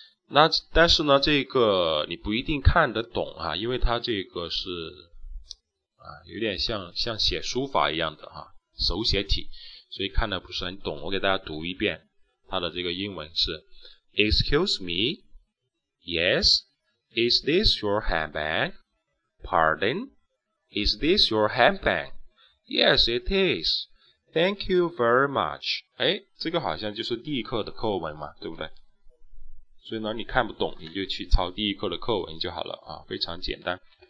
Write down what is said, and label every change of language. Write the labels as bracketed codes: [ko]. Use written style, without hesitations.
[zh] 那但是呢这个你不一定看得懂啊，因为它这个是有点像写书法一样的啊，手写体，所以看得不是很懂。我给大家读一遍它的这个英文是 [en] Excuse me, yes, is this your handbag? Pardon, is this your handbag? Yes, it is. Thank you very much. [zh] 诶，这个好像就是第一课的课文嘛，对不对？所以呢你看不懂你就去抄第一课的课文就好了啊，非常简单。